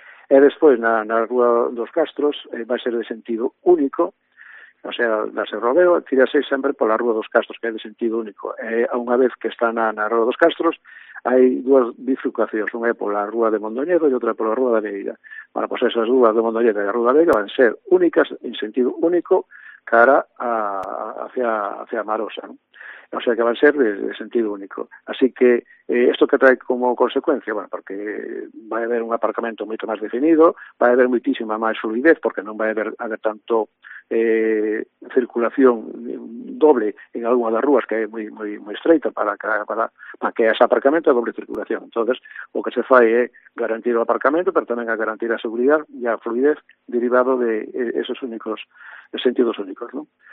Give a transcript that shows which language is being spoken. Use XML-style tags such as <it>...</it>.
<gl>E despois, na rúa dos Castros, vai ser de sentido único, o sea, darse rodeo, tirase sempre pola rúa dos Castros, que é de sentido único. Unha vez que está na rúa dos Castros, hai dúas bifurcacións, unha é pola rúa de Mondoñedo e outra pola rúa da Veiga. Bueno, pois esas dúas de Mondoñedo e a rúa da Veiga van ser únicas, en sentido único, cara hacia Marosa, ¿no?</gl> <es>O sea, que van a ser de sentido único. Así que, ¿esto que trae como consecuencia?</es> <gl>Bueno, porque vai haber un aparcamento moito máis definido, vai haber muitísima máis fluidez, porque non vai haber tanto circulación doble en algunha das rúas que é moi moi moi estreita para que ese aparcamento é doble circulación. Entón, o que se fai é garantir o aparcamento, pero tamén a garantir a seguridade e a fluidez derivado de esos únicos, de sentidos únicos, ¿no?</gl>